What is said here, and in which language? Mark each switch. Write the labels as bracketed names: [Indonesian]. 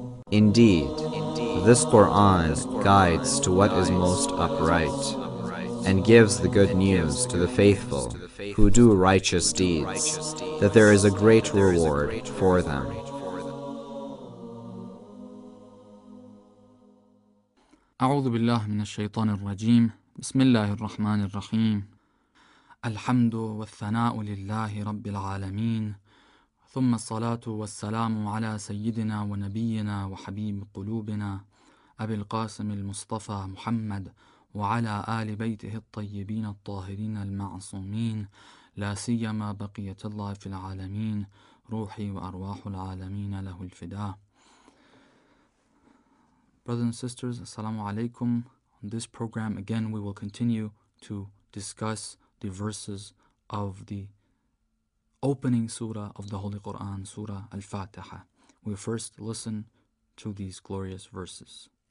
[English] Indeed, this Quran guides to what is most upright and gives the good news to the faithful who do righteous deeds, that there is a great reward for them. [Arabic] أعوذ بالله من الشيطان الرجيم بسم الله الرحمن الرحيم الحمد والثناء لله رب العالمين ثم الصلاة والسلام على سيدنا ونبينا وحبيب قلوبنا أبي القاسم المصطفى محمد وعلى آل بيته الطيبين الطاهرين المعصومين لا سيما بقية الله في العالمين روحي وأرواح العالمين له الفداء. [English] Brothers and sisters, assalamu alaikum. On this program, again, we will continue to discuss the verses of the opening surah of the Holy Quran, Surah Al-Fatiha. We first listen to these glorious verses.